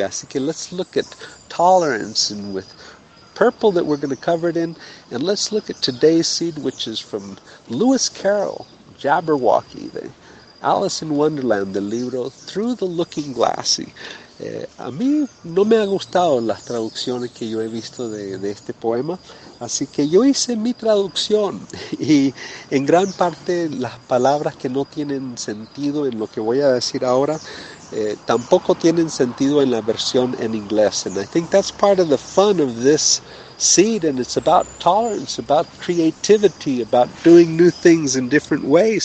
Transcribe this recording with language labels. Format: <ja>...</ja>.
<es>Así que</es> <en>let's look at tolerance and with purple that we're going to cover it in. And let's look at today's seed, which is from Lewis Carroll, Jabberwocky, the Alice in Wonderland,</en> <es>del libro</es> <en>Through the Looking Glass.</en> <es>A mí no me han gustado las traducciones que yo he visto de este poema, así que yo hice mi traducción y en gran parte las palabras que no tienen sentido en lo que voy a decir ahora tampoco tienen sentido en la versión en inglés.</es> <en>And I think that's part of the fun of this seed, and it's about tolerance, about creativity, about doing new things in different ways.</en>